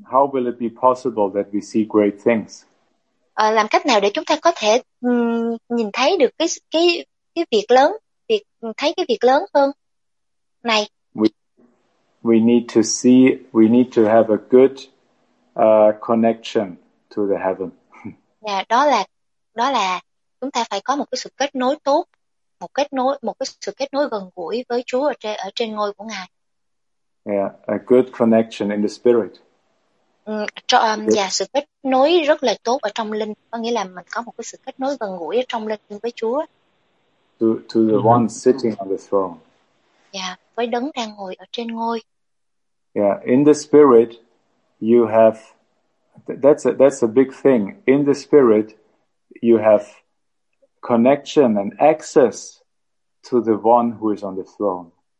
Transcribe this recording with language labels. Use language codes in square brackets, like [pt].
[en] How will it be possible that we see great things? [vi] Làm cách nào để chúng ta có thể nhìn thấy được cái việc lớn, việc thấy cái việc lớn hơn này? [en] We need to have a good connection to the heaven. [vi] Yeah, đó là chúng ta phải có một cái sự kết nối tốt, một cái sự kết nối gần gũi với Chúa ở trên ngôi của Ngài. [en] Yeah, a good connection in the spirit. [vi] Yeah, sự kết nối rất là tốt ở trong linh, có nghĩa là mình có một cái sự kết nối gần gũi ở trong linh với Chúa. [en] To the one sitting on the throne. [vi] Yeah, với đấng đang ngồi ở trên ngôi. [en] Yeah, in the spirit you have that's a big thing. In the spirit you have connection and access to the one who is on the throne.